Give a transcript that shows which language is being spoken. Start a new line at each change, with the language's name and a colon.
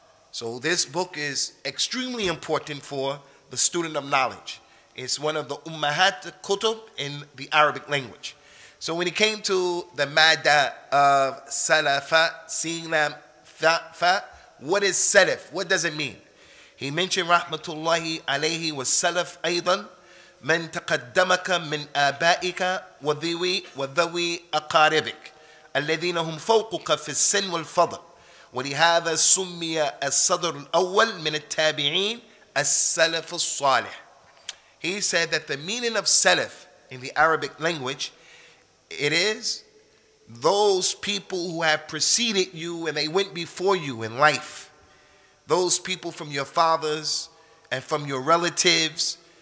English: So this book is extremely important for the student of knowledge. It's one of the ummahat kutub in the Arabic language. So when it came to the madda of salafa, seeing them fa, what is salaf? What does it mean? He mentioned
Arabic: rahmatullahi alayhi was salaf aydan. من تقدمك من آبائك وذوي وذوي أقاربك الذين هم فوقك في السن والفضل ولهذا سمي الصدر الأول من التابعين السلف الصالح.
English: He said that the meaning of salaf in the Arabic language, it is those people who have preceded you and they went before you in life. Those people from your fathers and from your relatives.